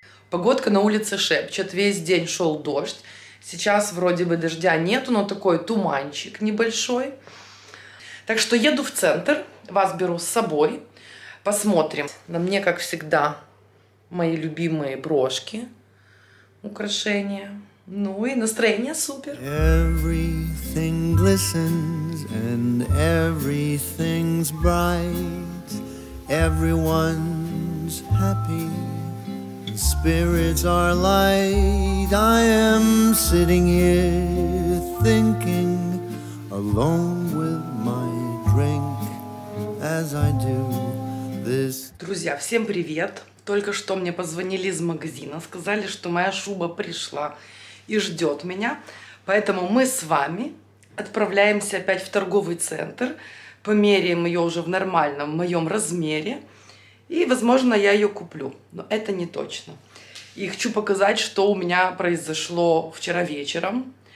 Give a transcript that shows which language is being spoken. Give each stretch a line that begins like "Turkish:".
Russian: Погодка на улице шепчет, весь день шел дождь, сейчас вроде бы дождя нету, но такой туманчик небольшой. Так что еду в центр, вас беру с собой, посмотрим. На мне, как всегда, мои любимые брошки, украшения, ну и настроение супер.
English: Everything glistens and everything's bright, everyone's happy. Spirits are light. I am sitting here thinking, alone with my drink, as I do this.
Russian: Друзья, всем привет! Только что мне позвонили из магазина, сказали, что моя шуба пришла и ждет меня. Поэтому мы с вами отправляемся опять в торговый центр, померяем ее уже в нормальном моем размере. И, возможно, я ее куплю, но это не точно. И хочу показать, что у меня произошло вчера вечером.